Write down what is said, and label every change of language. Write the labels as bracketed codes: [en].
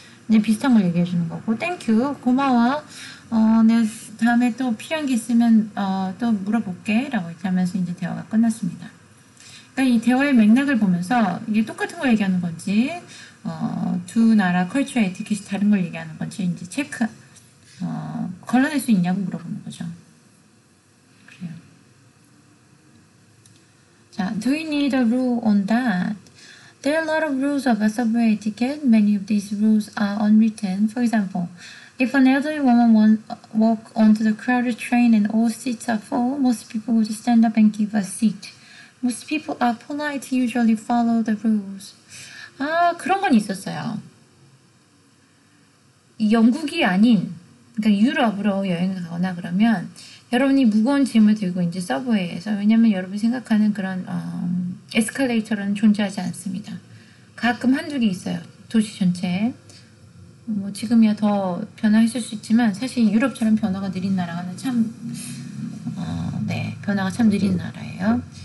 [ko] 이제 비슷한 걸 얘기해 주는 거고. 땡큐, 고마워. 내가 다음에 또 필요한 게 있으면 또 물어볼게 라고 이렇게 하면서 이제 대화가 끝났습니다. 그러니까 이 대화의 맥락을 보면서 이게 똑같은 걸 얘기하는 건지 두 나라 컬처 에티켓이 다른 걸 얘기하는 건지 이제 체크 걸러낼 수 있냐고 물어보는 거죠. 그래요. [en] 자, Do you need a rule on that? There are a lot of rules about subway etiquette. Many of these rules are unwritten. For example, if an elderly woman walks onto the crowded train and all seats are full, most people would stand up and give a seat. Most people are polite, usually follow the rules. [ko] 아, 그런 건 있었어요. 영국이 아닌, 그러니까 유럽으로 여행을 가거나 그러면 여러분이 무거운 짐을 들고 이제 서브웨이에서, 왜냐면 여러분이 생각하는 그런 에스컬레이터는 존재하지 않습니다. 가끔 한두 개 있어요. 도시 전체에. 뭐 지금이야 더 변화했을 수 있지만 사실 유럽처럼 변화가 느린 나라는 참 변화가 참 느린 나라예요.